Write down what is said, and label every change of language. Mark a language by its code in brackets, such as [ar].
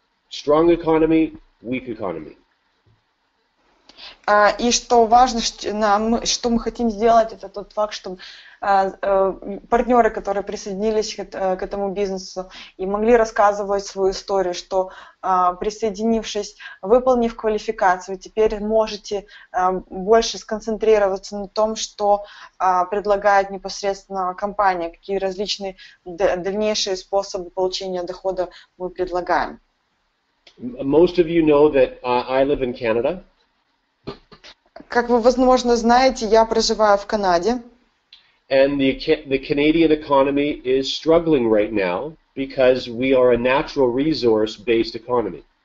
[en] Strong economy, weak economy. [ru] И что важно, что мы хотим сделать, это тот факт, что партнеры, которые присоединились к этому бизнесу и могли рассказывать свою историю, что присоединившись, выполнив квалификацию, теперь можете больше сконцентрироваться на том, что предлагает непосредственно компания, какие различные дальнейшие способы получения дохода мы предлагаем. [en] Most of you know that I live in Canada. [ru] Как вы, возможно, знаете, я проживаю в Канаде. [en] And the Canadian economy is struggling right now because we are a natural resource-based economy.